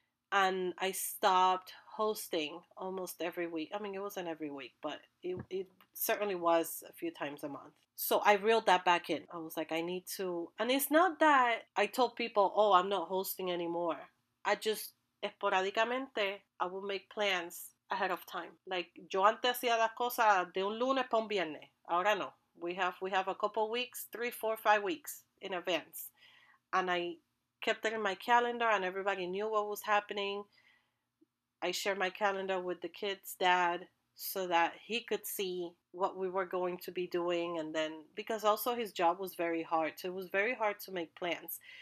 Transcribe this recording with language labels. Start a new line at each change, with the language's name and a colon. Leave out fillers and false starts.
English: And I stopped hosting almost every week. I mean, it wasn't every week, but it certainly was a few times a month. So I reeled that back in. I was like, I need to. And it's not that I told people, oh, I'm not hosting anymore. I just, esporádicamente, I will make plans ahead of time.
Spanish: Like, yo antes hacía las cosas de un lunes para un viernes. Ahora no.
English: We have a couple weeks, 3, 4, 5 weeks in advance. And I kept it in my calendar and everybody knew what was happening. I shared my calendar with the kid's dad so that he could see what we were going to be doing. And then, because also his job was very hard, so it was very hard to make plans.